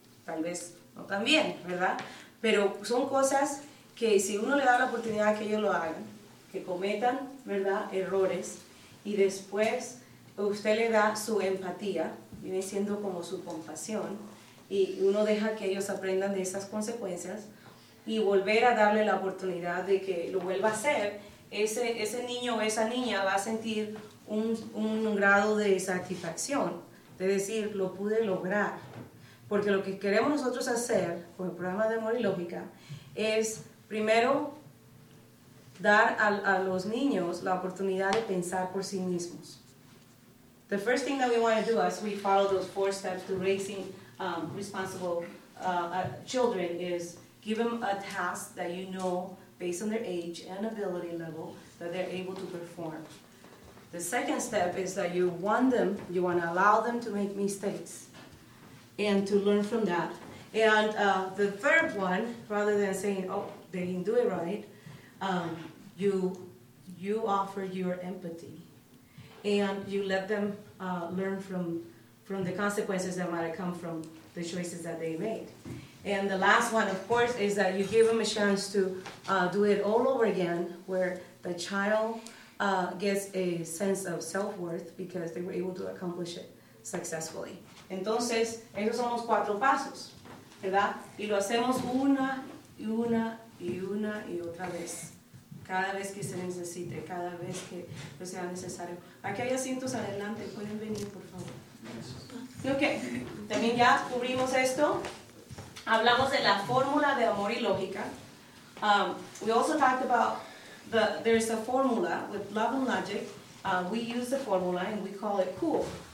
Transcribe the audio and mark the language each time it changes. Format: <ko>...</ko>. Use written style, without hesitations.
<es>Tal vez no tan bien, ¿verdad? Pero son cosas que si uno le da la oportunidad que ellos lo hagan, que cometan, ¿verdad?, errores, y después usted le da su empatía, viene siendo como su compasión, y uno deja que ellos aprendan de esas consecuencias, y volver a darle la oportunidad de que lo vuelva a hacer, ese niño o esa niña va a sentir un grado de satisfacción, de decir, lo pude lograr. Porque lo que queremos nosotros hacer con el programa de Amor y Lógica es, primero, dar a los niños la oportunidad de pensar por sí mismos.</es> <en>The first thing that we want to do as we follow those four steps to raising responsible children is give them a task that you know, based on their age and ability level, that they're able to perform. The second step is that you want them, you want to allow them to make mistakes and to learn from that. And the third one, rather than saying, oh, they didn't do it right, you offer your empathy. And you let them learn from the consequences that might have come from the choices that they made. And the last one, of course, is that you give them a chance to do it all over again, where the child gets a sense of self-worth because they were able to accomplish it successfully.</en> <es>Entonces, esos son los cuatro pasos, ¿verdad? Y lo hacemos una y una y una y otra vez. Cada vez que se necesite, cada vez que sea necesario. Aquí hay asientos adelante, pueden venir, por favor. Ok, también ya cubrimos esto. Hablamos de la fórmula de amor y lógica.</es> <en>We also talked about there's a formula with love and logic. We use the formula and we call it COOL.</en>